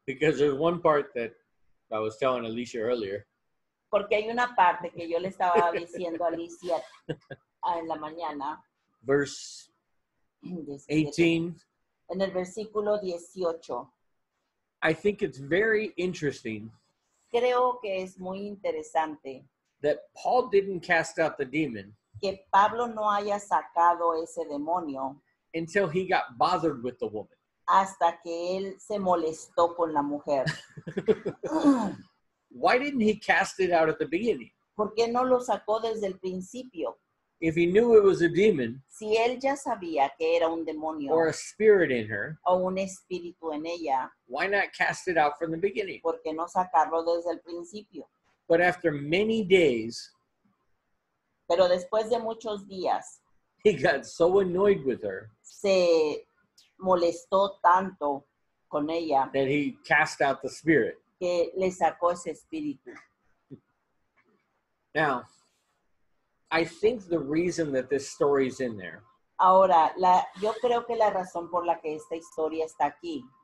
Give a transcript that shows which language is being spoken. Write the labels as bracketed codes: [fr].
[en] Because there's one part that I was telling Alicia earlier. [es] Porque hay una parte que yo le estaba diciendo a Alicia en la mañana. [en] Verse 18. [es] En el versículo 18. [en] I think it's very interesting. [es] Creo que es muy interesante. [en] That Paul didn't cast out the demon. [es] Que Pablo no haya sacado ese demonio. [en] Until he got bothered with the woman. [es] Hasta que él se molestó con la mujer. [en] Why didn't he cast it out at the beginning? [es] ¿Por qué no lo sacó desde el principio? [en] If he knew it was a demon. [es] Si él ya sabía que era un demonio. [en] Or a spirit in her. [es] O un espíritu en ella. [en] Why not cast it out from the beginning? [es] ¿Por qué no sacarlo desde el principio? [en] But after many days. [es] Pero después de muchos días. [en] He got so annoyed with her. [es] Se molestó tanto con ella. [en] That he cast out the spirit. [es] Que le sacó ese espíritu. [en] Now, I think the reason that this story is in there. [es] Ahora, yo creo que la razón por la que esta historia está aquí.